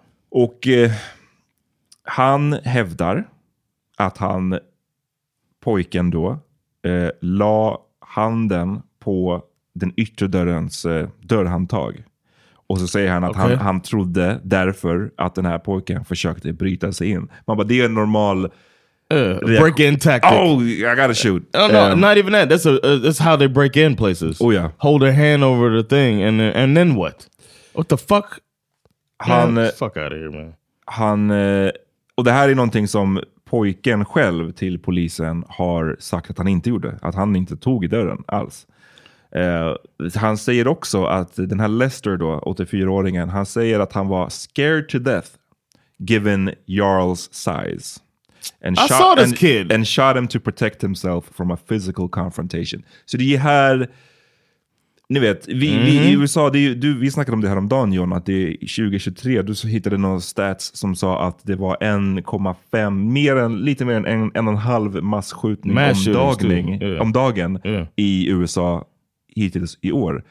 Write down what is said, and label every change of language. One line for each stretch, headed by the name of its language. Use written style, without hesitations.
Swedish: Och han hävdar att han, pojken då, la handen på den yttre dörrens dörrhandtag. Och så säger han att han trodde därför att den här pojken försökte bryta sig in. Man bara, det är en normal
English: break in tactic. Oh, I gotta shoot. Not even that. That's how they break in places. Oh yeah. Hold a hand over the thing and then what? What the fuck?
Swedish: Han,
English: man, fuck out of here, man.
Swedish: Han, och det här är någonting som pojken själv till polisen har sagt att han inte gjorde. Att han inte tog i dörren alls. Han säger också att den här Lester då, 84-åringen, han säger att han var
English: scared to death given Jarls size. And I saw this kid. And shot him to protect himself from a physical confrontation.
Swedish: Så det här, ni vet, vi i USA, vi snackade om det här om dagen, John, att det är 2023. Du så hittade någon stats som sa att det var 1,5, lite mer än en och en halv massskjutning om dagen i USA hittills i år.